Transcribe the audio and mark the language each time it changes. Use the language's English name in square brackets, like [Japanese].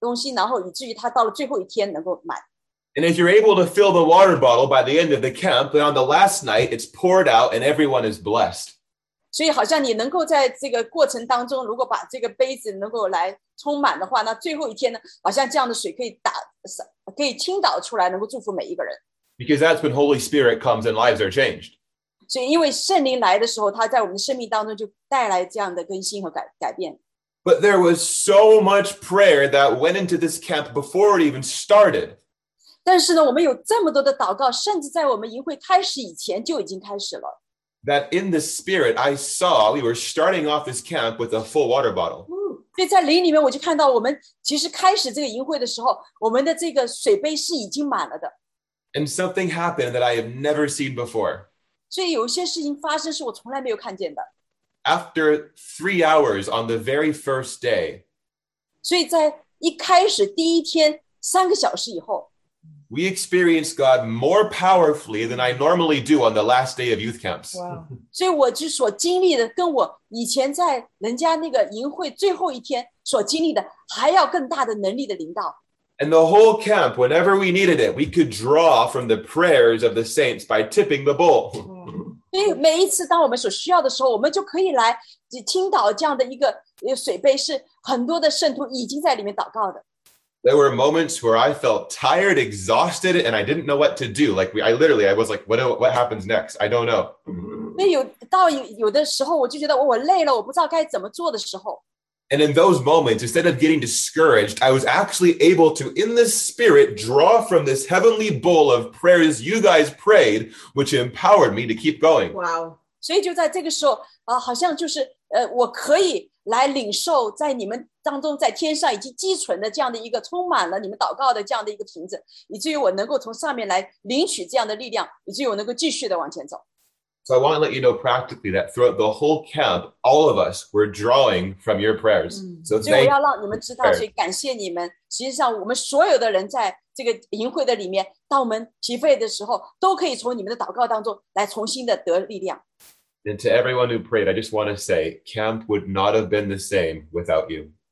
[Chinese] 就是在这个营会的里面，你好像就是把它里面充满了祷告，充满了你的敬拜，充满了这个很多的东西，然后以至于它到了最后一天能够满。 [English] And if you're able to fill the water bottle by the end of the camp, then on the last night it's poured out and everyone is blessed. [Chinese] 所以好像你能够在这个过程当中，如果把这个杯子能够来充满的话，那最后一天呢，好像这样的水可以打。可以倾倒出来，能够祝福每一个人。 [English] Because that's when Holy Spirit comes and lives are changed. [Chinese] 所以因为圣灵来的时候，他在我们的生命当中就带来这样的更新和改变。 [English] But there was so much prayer that went into this camp before it even started. [Chinese] 但是呢，我们有这么多的祷告，甚至在我们营会开始以前就已经开始了。 [English] That in the spirit, I saw we were starting off this camp with a full water bottle. [Chinese] 所以在灵里面，我就看到我们其实开始这个营会的时候，我们的这个水杯是已经满了的。 [English] And something happened that I have never seen before. [Chinese] 所以有一些事情发生是我从来没有看见的。 [English] After 3 hours on the very first day. [Chinese] 所以在一开始第一天三个小时以后。 [English] We experienced God more powerfully than I normally do on the last day of youth camps. Wow. [Chinese] 所以我就所经历的跟我以前在人家那个营会最后一天所经历的还要更大的能力的临到。 [English] And the whole camp, whenever we needed it, we could draw from the prayers of the saints by tipping the bowl. [Chinese] 所以每一次当我们所需要的时候，我们就可以来倾倒这样的一个水杯，是很多的圣徒已经在里面祷告的。 [English] There were moments where I felt tired, exhausted, and I didn't know what to do. Like, I was like, what happens next? I don't know. [Chinese] 所以有的时候我就觉得我累了，我不知道该怎么做的时候。 [English] And in those moments, instead of getting discouraged, I was actually able to, in the spirit, draw from this heavenly bowl of prayers you guys prayed, which empowered me to keep going. Wow. [Chinese] 所以就在这个时候，好像就是我可以来领受在你们当中在天上已经积存的这样的一个充满了你们祷告的这样的一个瓶子，以至于我能够从上面来领取这样的力量，以至于我能够继续的往前走。 [English] So I want to let you know practically that throughout the whole camp, all of us were drawing from your prayers. So thank you. [Chinese] 所以我要让你们知道，所以感谢你们。实际上，我们所有的人在这个营会的里面，当我们疲惫的时候，都可以从你们的祷告当中来重新的得力量。 [English] And to everyone who prayed, I just want to say, camp would not have been the same without you.